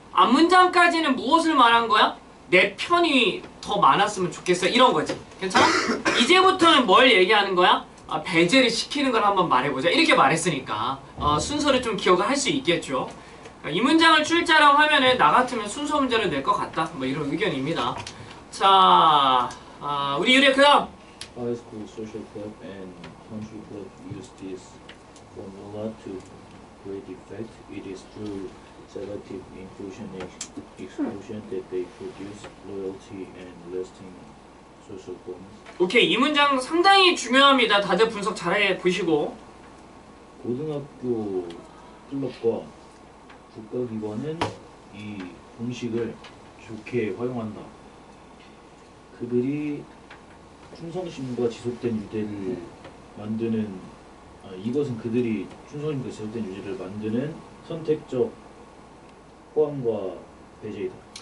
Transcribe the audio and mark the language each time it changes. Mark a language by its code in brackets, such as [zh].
[ko] 앞 문장까지는 무엇을 말한 거야? 내 편이 더 많았으면 좋겠어 이런 거지. 괜찮아? 이제부터는 뭘 얘기하는 거야? 배제를 시키는 걸 한번 말해보자 이렇게 말했으니까 순서를 좀 기억을 할 수 있겠죠. 이 문장을 출제라고 하면은 나 같으면 순서 문제를 낼 것 같다. 뭐 이런 의견입니다. 자, 우리 유리야 그 다음. [en] High school social club and country club use this formula to great effect. It is through selective inclusion and exclusion that they produce loyalty and lasting social bonds. [ko] 오케이, 이 문장 상당히 중요합니다. 다들 분석 잘해 보시고. 고등학교 클럽과 국가기관은 이 공식을 좋게 활용한다. 그들이 충성심과 지속된 유대를 만드는 이것은 그들이 충성심과 지속된 유대를 만드는 선택적 포함과 배제이다.